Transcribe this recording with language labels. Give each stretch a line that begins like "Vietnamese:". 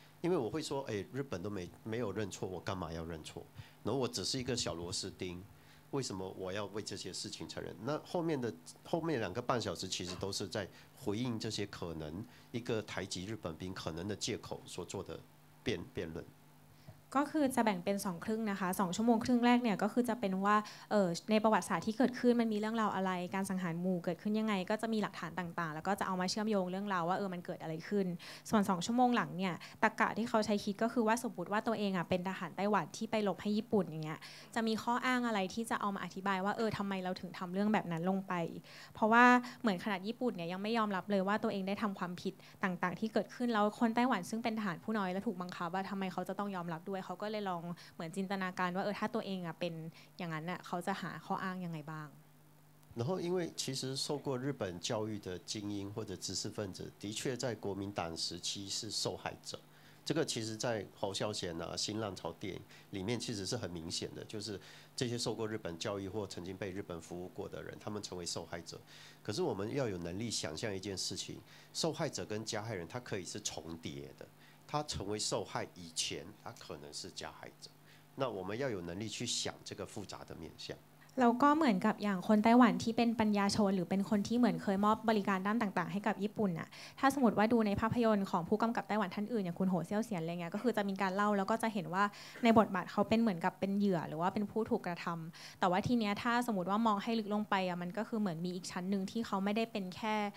Chinese: 因为我会说，哎，日本都没有认错，我干嘛要认错？然后我只是一个小螺丝钉，为什么我要为这些事情承认？那后面两个半小时，其实都是在回应这些可能一个台籍日本兵可能的借口所做的辩论。
Thai: ก็คือจะแบ่งเป็น2ครึ่งนะคะ2ชั่วโมงครึ่งแรกเนี่ยก็คือจะเป็นว่าในประวัติศาสตร์ที่เกิดขึ้นมันมีเรื่องราวอะไรการสังหารหมู่เกิดขึ้นยังไงก็จะมีหลักฐานต่างๆแล้วก็จะเอามาเชื่อมโยงเรื่องราวว่ามันเกิดอะไรขึ้นส่วน2ชั่วโมงหลังเนี่ยตรรกะที่เขาใช้คิดก็คือว่าสมมุติว่าตัวเองอ่ะเป็นทหารไต้หวันที่ไปหลบให้ญี่ปุ่นอย่างเงี้ยจะมีข้ออ้างอะไรที่จะเอามาอธิบายว่าทําไมเราถึงทําเรื่องแบบนั้นลงไป เพราะว่าเหมือนขนาดญี่ปุ่นเนี่ยยังไม่ยอมรับเลยว่าตัวเองได้ทําความผิดต่างๆที่เกิดขึ้นแล้วคนไต้หวันซึ่งเป็นทหารผู้น้อยแล้วถูกบังคับว่าทําไมเขาจะต้องยอมรับด้วยเขาก็เลยลองเหมือนจินตนาการว่าถ้าตัวเองอ่ะเป็นอย่างนั้นน่ะเขาจะหาข้ออ้างยังไงบ้าง
Chinese: 然后因为其实受过日本教育的精英或者知识分子的确在国民党时期是受害者这个其实在侯孝贤啊新浪潮电影里面其实是很明显的就是这些受过日本教育或曾经被日本服务过的人他们成为受害者可是我们要有能力想象一件事情受害者跟加害人他可以是重叠的他成为受害以前他可能是加害者那我们要有能力去想这个复杂的面向
Thai: แล้วก็เหมือนกับอย่างคนไต้หวันที่เป็นปัญญาชนหรือเป็นคนที่เหมือนเคยมอบบริการด้านต่างๆให้กับญี่ปุ่นน่ะถ้าสมมติว่าดูในภาพยนตร์ของผู้กำกับไต้หวันท่านอื่นอย่างคุณโหเซียวเสียนอะไรเงี้ยก็คือจะมีการเล่าแล้วก็จะเห็นว่าในบทบาทเขาเป็นเหมือนกับเป็นเหยื่อหรือว่าเป็นผู้ถูกกระทำแต่ว่าทีเนี้ยถ้าสมมติว่ามองให้ลึกลงไปอ่ะมันก็คือเหมือนมีอีกชั้นนึงที่เขาไม่ได้เป็นแค่